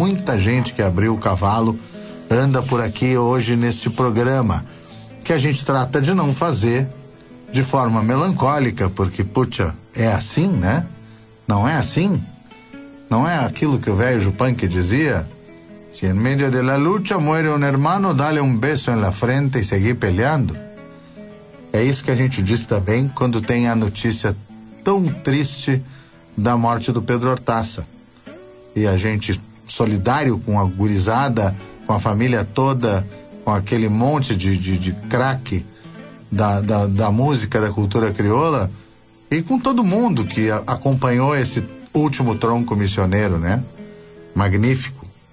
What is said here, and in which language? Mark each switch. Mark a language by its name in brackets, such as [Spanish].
[Portuguese] Muita gente que abriu o cavalo anda por aqui hoje neste programa, que a gente trata de não fazer de forma melancólica, porque, puxa, é assim, né? Não é assim? Não é aquilo que o velho Jupanqui dizia? [Spanish] Si en medio de la lucha muere un hermano, dale un beso en la frente e seguir peleando. [Portuguese] É isso que a gente diz também quando tem a notícia tão triste da morte do Pedro Hortaça. E a gente, solidário com a gurizada, com a família toda, com aquele monte de craque da música, da cultura crioula, e com todo mundo que acompanhou esse último tronco missioneiro, né? Magnífico.